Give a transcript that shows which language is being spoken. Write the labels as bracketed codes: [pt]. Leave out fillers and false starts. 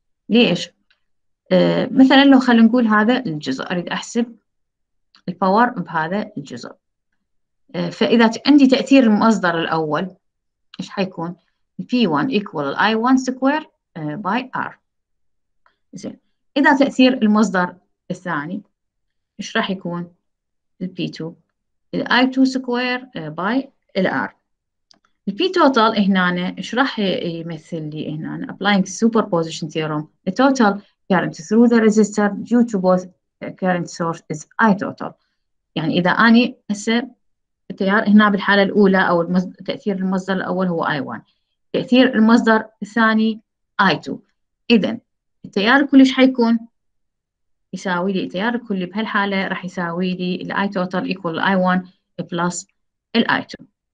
[ar] ليش؟ مثلا لو خلينا نقول هذا الجزء أريد أحسب الباور بهذا الجزء، فإذا عندي تأثير المصدر الأول إيش حيكون؟ [en] V1 equal I1 square by R. [ar] زين، إذا تأثير المصدر الثاني إيش راح يكون؟ ال P2 ال [en] I2 square by [ar] ال R. ال P total هنا إيش راح يمثل لي هنا؟ [en] Applying superposition theorem, the total current through the resistor due to both current source is I total. [ar] يعني إذا أني هسه التيار هنا بالحالة الأولى أو تأثير المصدر الأول هو I1، تأثير المصدر الثاني I2. إذن التيار الكلي ايش حيكون؟ يساوي لي التيار الكلي بهالحالة راح يساوي لي الـ [en] I total equal الـ I1 plus الـ I2.